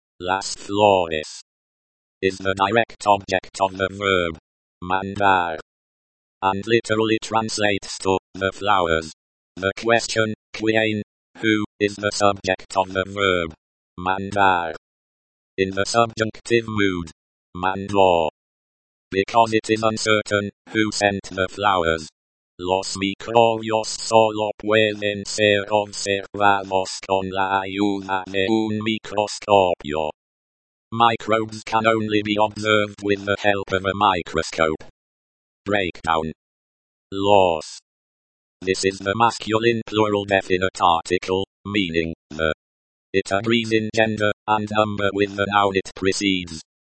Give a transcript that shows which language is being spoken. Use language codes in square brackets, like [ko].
[en] las flores. Is the direct object of the verb mandar, and literally translates to the flowers. The question, quién, who, is the subject of the verb mandar. In the subjunctive mood, mandó. Because it is uncertain who sent the flowers. [es] Los microbios solo pueden ser observados con la ayuda de un microscopio. [en] Microbes can only be observed with the help of a microscope. Breakdown. Los. This is the masculine plural definite article, meaning the. It agrees in gender and number with the noun it precedes.